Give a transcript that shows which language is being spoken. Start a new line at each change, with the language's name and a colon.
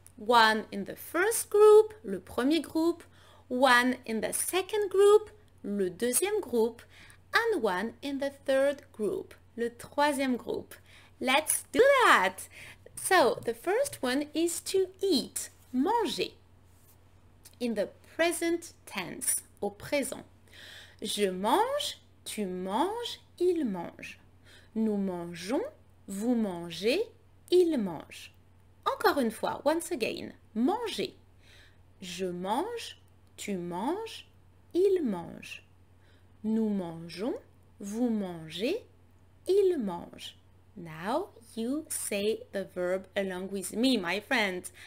English: One in the first group,
French: le premier groupe,
English: one in the second group,
French: le deuxième groupe,
English: and one in the third group,
French: le troisième groupe.
English: Let's do that! So, the first one is to eat, manger. In the present tense,
French: au présent. Je mange, tu manges, il mange. Nous mangeons, vous mangez, il mange. Encore une fois,
English: once again,
French: manger. Je mange, tu manges, il mange. Nous mangeons, vous mangez, il mange.
English: Now you say the verb along with me, my friend.